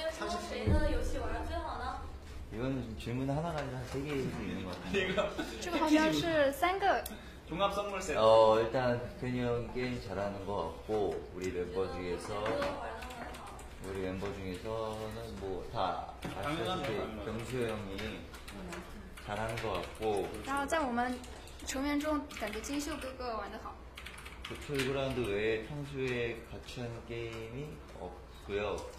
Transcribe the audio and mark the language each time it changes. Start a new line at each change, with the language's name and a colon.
Korean: 이건 질문 하나 가지고 한 세 개 있는 것 같아요. 이거
Chinese: 好像是三个
Korean: 종합 선물 세트. 일단 태니 형이 게임 잘하는 것 같고 우리 멤버 중에서 우리 멤버 중에서는 뭐 다 아시다시피 병수 형이 잘하는 것 같고. 그리고
Chinese: 在我们 成员 중 感觉 金秀 哥哥 玩得好.
Korean: 배틀그라운드 외에 평소에 같이 하는 게임이 없고요.